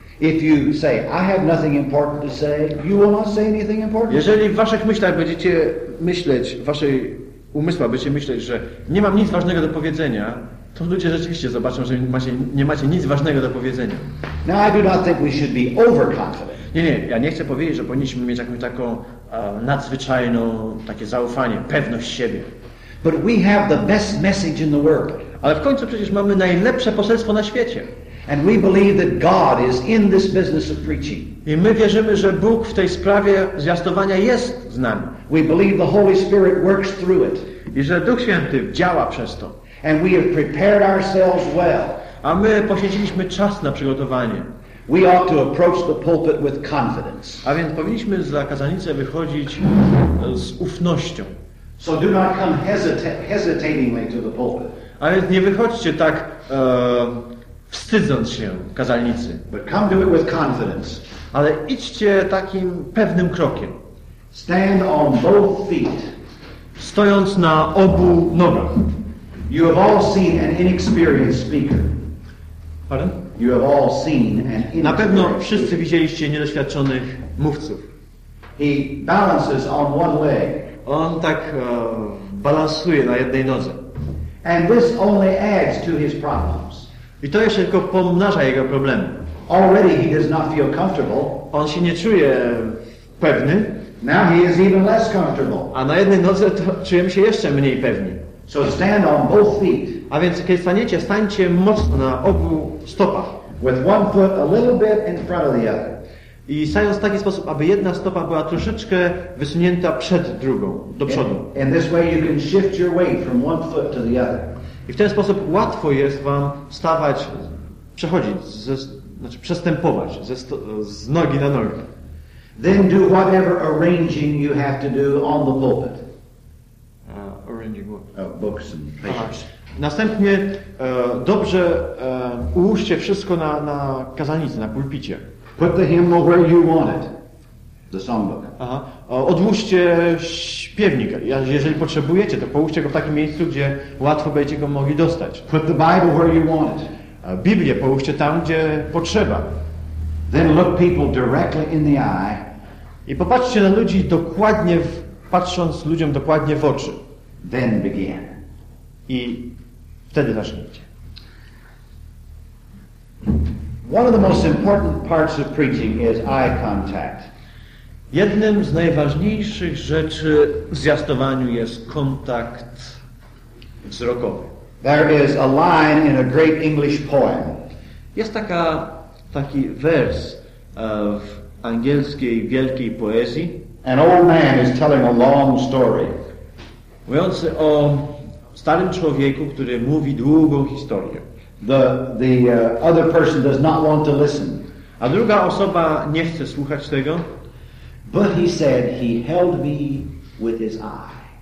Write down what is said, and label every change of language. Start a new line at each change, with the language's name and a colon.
English: If you say, I have nothing important to say, you will not say anything important.
Polish: Jeżeli w waszych myślach będziecie myśleć, w waszej umysłach będziecie myśleć, że nie mam nic ważnego do powiedzenia, to ludzie rzeczywiście zobaczą, że nie macie nic ważnego do powiedzenia.
English: Now I do not think we should be overconfident.
Polish: Nie, ja nie chcę powiedzieć, że powinniśmy mieć jakąś taką nadzwyczajną takie zaufanie, pewność siebie.
English: But we have the best message in the world.
Polish: Ale w końcu przecież mamy najlepsze poselstwo na świecie.
English: And we believe that God is in this business of preaching.
Polish: I my wierzymy, że Bóg w tej sprawie zwiastowania jest z nami.
English: We believe the Holy Spirit works through it.
Polish: I że Duch Święty działa przez to.
English: And we have prepared ourselves well.
Polish: A my poświęciliśmy czas na przygotowanie.
English: We ought to approach the pulpit with confidence.
Polish: A więc powinniśmy za kazanicę wychodzić z ufnością.
English: So do not come hesitatingly to the pulpit.
Polish: A więc nie wychodźcie tak wstydząc się kazalnicy.
English: But come to it with confidence.
Polish: Ale idźcie takim pewnym krokiem.
English: Stand on both feet.
Polish: Stojąc na obu nogach.
English: You have all seen an inexperienced speaker. Pardon? You have all seen an inexperienced.
Polish: Na pewno wszyscy widzieliście niedoświadczonych mówców.
English: He balances on one leg.
Polish: On tak balansuje na jednej nodze.
English: And this only adds to his problems.
Polish: I to jeszcze tylko pomnaża jego problemy.
English: Already he does not feel comfortable.
Polish: On się nie czuje pewny.
English: Now he is even less comfortable.
Polish: A na jednej nodze to czujemy się jeszcze mniej pewni.
English: So stand on both feet.
Polish: A więc kiedy staniecie, stańcie mocno na obu stopach.
English: With one foot a little bit in front of the other.
Polish: I stając w taki sposób, aby jedna stopa była troszeczkę wysunięta przed drugą, do przodu.
English: And this way you can shift your weight from one foot to the other.
Polish: I w ten sposób łatwo jest wam stawać, przechodzić, znaczy przestępować z nogi na nogę.
English: Then do whatever arranging you have to do on the pulpit. Arranging what? Books and papers.
Polish: Następnie dobrze ułóżcie wszystko na kazanicy, na pulpicie.
English: Put the hymnal where you want it. The songbook.
Polish: Aha. Odłóżcie śpiewnik. Jeżeli potrzebujecie, to połóżcie go w takim miejscu, gdzie łatwo będziecie go mogli dostać.
English: Put the Bible where you want it.
Polish: Biblię połóżcie tam, gdzie potrzeba.
English: Then look people directly in the eye.
Polish: I popatrzcie na ludzi dokładnie, patrząc ludziom dokładnie w oczy.
English: Then begin.
Polish: I wtedy zacznijcie.
English: One of the most important parts of preaching is eye contact.
Polish: Jednym z najważniejszych rzeczy w zwiastowaniu jest kontakt wzrokowy.
English: There is a line in a great English poem.
Polish: Jest taki wers w angielskiej wielkiej poezji.
English: An old man is telling a long story.
Polish: Mówiący o starym człowieku, który mówi długą historię.
English: The other person does not want to listen.
Polish: A druga osoba nie chce słuchać tego.
English: But he said he held me with his eye.